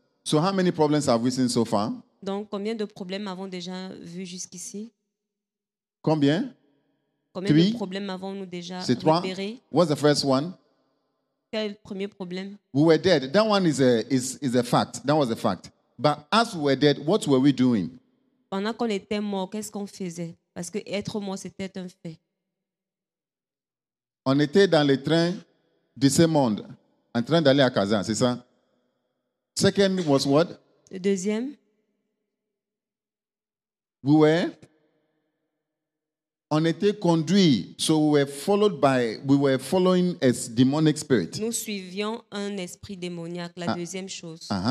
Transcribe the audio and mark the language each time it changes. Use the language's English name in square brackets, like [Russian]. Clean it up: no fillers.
[English] So how many problems have we seen so far? [French] Donc combien de problèmes avons déjà vu jusqu'ici? Combien? Combien de problèmes avons-nous déjà C'est repéré? [English] Trois. What's the first one? [French] Quel premier problème? [English] We were dead. That one is a fact. That was a fact. But as we were dead, what were we doing? [French] Pendant qu'on était mort, qu'est-ce qu'on faisait? Parce que être mort, c'était un fait. On était dans le train de ce monde, en train d'aller à Kazan, c'est ça? [English] Second was what? [French] Le deuxième. [English] We were. [French] On était conduits, [English] so we were followed by, we were following a demonic spirit. [French] Nous suivions un esprit démoniaque, la deuxième chose.